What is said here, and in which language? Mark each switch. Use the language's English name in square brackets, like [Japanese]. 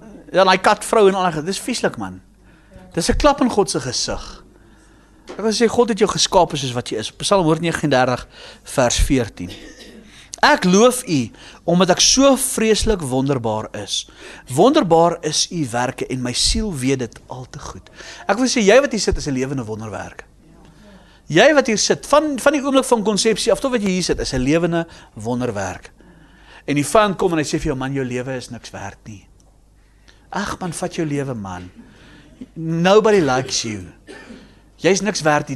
[Afrikaans] Ja, hy kat vrou en al daai, dis vieslik man. Dis 'n klap in God se gesig. Ek wil sê God het jou geskaap soos wat jy is. Psalm 139 vers 14. Ek loof U omdat ek so vreeslik wonderbaar is. Wonderbaar is U werke en my siel weet dit al te goed. Ek wil sê jy wat hier sit is 'n lewende wonderwerk. Jy wat hier sit van die oomblik van konsepsie af tot wat jy hier sit is 'n lewende wonderwerk. En die vyand kom en hy sê vir jou man, jou lewe is niks werd nie. Ag man, vat jou lewe man. [English] Nobody likes you. [Afrikaans] Jy's niks werd nie.